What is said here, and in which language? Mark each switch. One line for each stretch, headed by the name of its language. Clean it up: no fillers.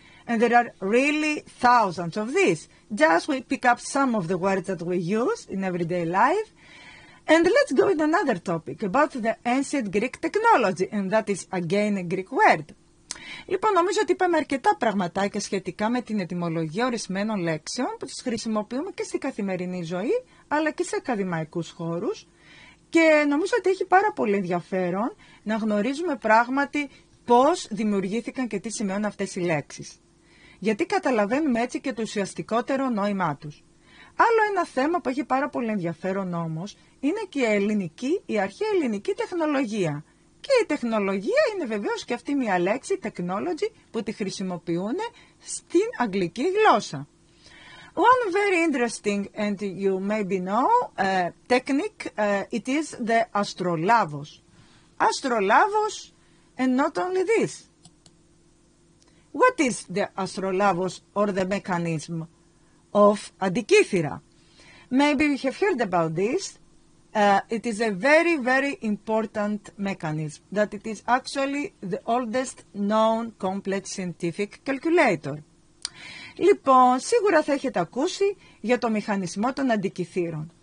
English: And there are really thousands of these. Just we pick up some of the words that we use in everyday life. And let's go with another topic about the ancient Greek technology, and that is again a Greek word.
Greek: Λοιπόν, νομίζω ότι είπαμε αρκετά πραγματάκια σχετικά με την ετυμολογία ορισμένων λέξεων που τις χρησιμοποιούμε και στην καθημερινή ζωή, αλλά και σε ακαδημαϊκούς χώρους. Και νομίζω ότι έχει πάρα πολύ ενδιαφέρον να γνωρίζουμε πράγματι πώς δημιουργήθηκαν και τι σημαίνουν αυτές οι λέξεις. Γιατί καταλαβαίνουμε έτσι και το ουσιαστικότερο νόημά τους. Άλλο ένα θέμα που έχει πάρα πολύ ενδιαφέρον όμως είναι και η αρχαία ελληνική τεχνολογία. Και η τεχνολογία είναι βεβαίως και αυτή μια λέξη, technology, που τη χρησιμοποιούν στην αγγλική γλώσσα.
English: One very interesting, and you maybe know, technique, it is the astrolabos. Astrolabos, and not only this. What is the astrolabos or the mechanism of adikithira? Maybe you have heard about this. It is a very, very important mechanism that it is actually the oldest known complex scientific calculator.
Greek: Λοιπόν, σίγουρα θα έχετε ακούσει για το μηχανισμό των αντικυθύρων.